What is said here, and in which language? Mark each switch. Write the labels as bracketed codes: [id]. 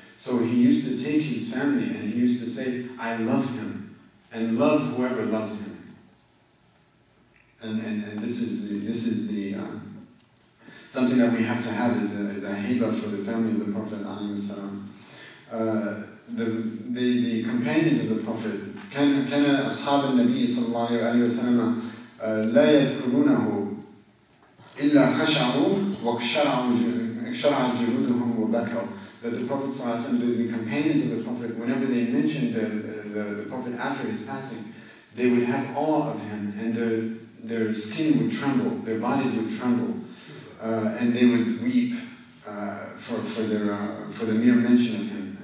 [en] So he used to take his family and he used to say, I love him and love whoever loves him. And this is the something that we have to have is a haiba for the family of the Prophet ﷺ. The companions of the Prophet, [ar] كان أصحاب النبي صلى الله عليه وسلم لا يذكرونه إلا خشعوا وكشرعوا جلودهم وبكوا. [en] That the Prophet ﷺ, the companions of the Prophet, whenever they mentioned the Prophet after his passing, they would have awe of him and their skin would tremble, their bodies would tremble, and they would weep for the mere mention of him.